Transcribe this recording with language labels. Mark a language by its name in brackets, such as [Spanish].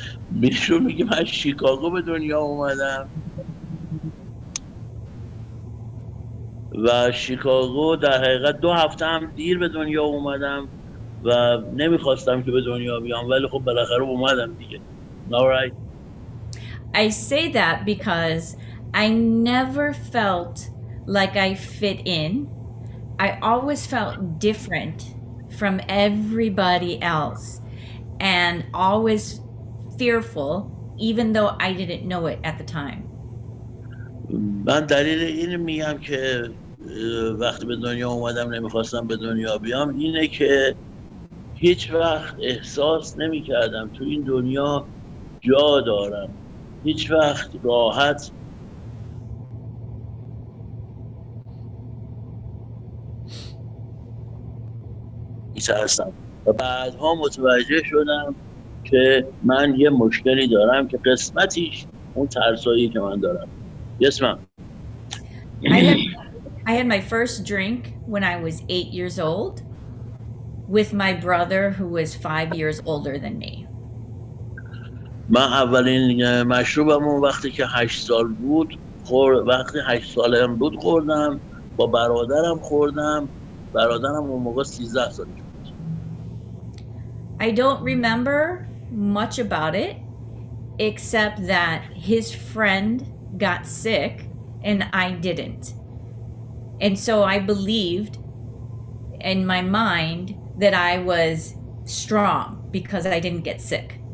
[Persian] میشون میگه من شیکاگو به دنیا اومدم و شیکاگو در حقیقت 2 هفته هم دیر به دنیا اومدم و نمیخواستم که به دنیا بیام، ولی خب بالاخره اومدم دیگه. [English] All right. I say that because I never felt like I fit in. I always felt different from everybody else and always fearful, even though I didn't know it at the time. [Persian] من دلیل این میگم که وقتی به دنیا اومدم نمیخواستم به دنیا بیام اینه که هیچ وقت احساس نمی کردم تو این دنیا جا دارم، هیچ وقت راحت. و بعدها متوجه شدم که من یه مشکلی دارم که قسمتیش اون ترسایی که من دارم. [English] Yes, ma'am. I had my first drink when I was 8 years old with my brother, who was 5 years older than me. [Persian] من اولین مشروبم اون وقتی که 8 سال بود خور وقتی 8 سالم بود خوردم، با برادرم خوردم. برادرم اون موقع 13 سال بود. [English] I don't remember much about it except that his friend got sick and I didn't. And so I believed in my mind that I was strong because I didn't get sick.